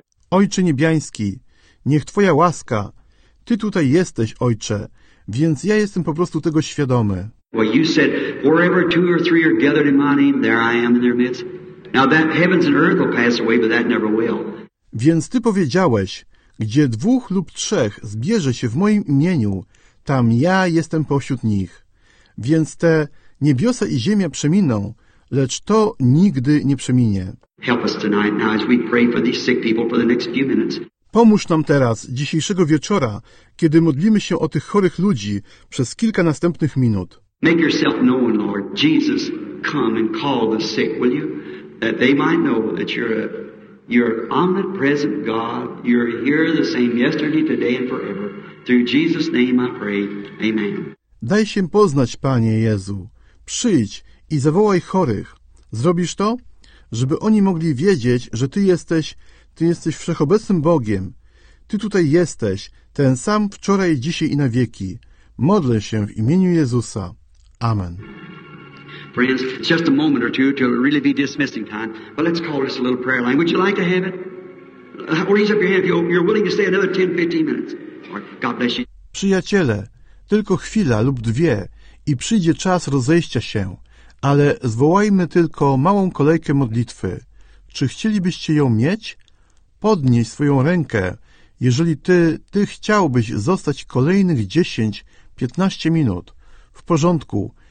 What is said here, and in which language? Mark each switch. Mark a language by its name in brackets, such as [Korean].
[Polish] Ojcze niebiański, niech Twoja łaska, Ty tutaj jesteś, Ojcze, więc ja jestem po prostu tego świadomy. [English] Well, you said, wherever two or three are gathered in my name, there I am in their midst. Now that heavens and earth will pass away, but that never will. [Polish] Więc Ty powiedziałeś, gdzie dwóch lub trzech zbierze się w moim imieniu, tam ja jestem pośród nich. Więc te niebiosa i ziemia przeminą, lecz to nigdy nie przeminie. [English] Help us tonight now as we pray for these sick people for the next few minutes. [Polish] Pomóż nam teraz, dzisiejszego wieczora, kiedy modlimy się o tych chorych ludzi przez kilka następnych minut. [English] Make yourself known, Lord. Jesus, come and call the sick, will you? That they might know that you're omnipresent God. You're here the same yesterday, today and forever. Through Jesus' name I pray. Amen. [Polish] Daj się poznać, Panie Jezu. Przyjdź i zawołaj chorych. Zrobisz to? Żeby oni mogli wiedzieć, że Ty jesteś wszechobecnym Bogiem. Ty tutaj jesteś, ten sam wczoraj, dzisiaj i na wieki. Modlę się w imieniu Jezusa. Amen. [English] Friends, it's just a moment or two till it really be dismissing time. But let's call this a little prayer line. Would you like to have it? Raise up your hand if you're willing to stay another 10-15 minutes. God bless you. [Polish] Przyjaciele, tylko chwila lub dwie i przyjdzie czas rozejścia się, ale zwołajmy tylko małą kolejkę modlitwy. Czy chcielibyście ją mieć? Podnieś swoją rękę, jeżeli ty chciałbyś zostać kolejnych 10-15 minut. W porządku.